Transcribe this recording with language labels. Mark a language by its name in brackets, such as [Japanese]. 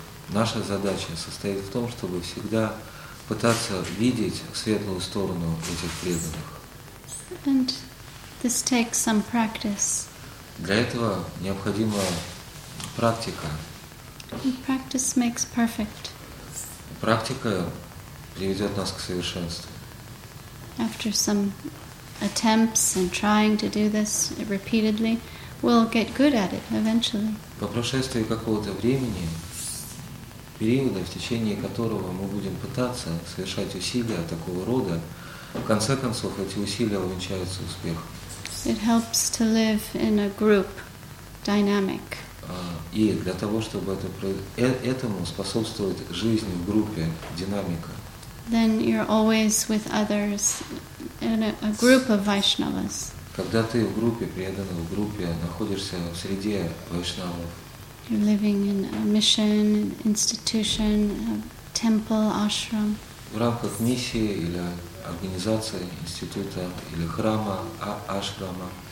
[Russian] Наша задача состоит в том, чтобы всегда пытаться видеть светлую сторону этих преданных. [English] And this takes some practice. [Russian] Для этого необходима практика. [English] And practice makes perfect. [Russian] Практика приведет нас к совершенству. [English] After some attempts and trying to do this repeatedly, we'll get good at it eventually. [Russian] По прошествии какого-то времени, периода, в течение которого мы будем пытаться совершать усилия такого рода, в конце концов эти усилия увенчаются успехом. [English] It helps to live in a group dynamic. [Russian] И для того, чтобы этому способствует жизнь в группе, динамика. [English] Then you're always with others in a group of Vaishnavas. [Russian] Когда ты в группе преданных, в группе находишься в среде Вайшнавов. [English] You're living in a mission, an institution, a temple, ashram. [Russian] В рамках миссии или организации, института или храма, ашрама.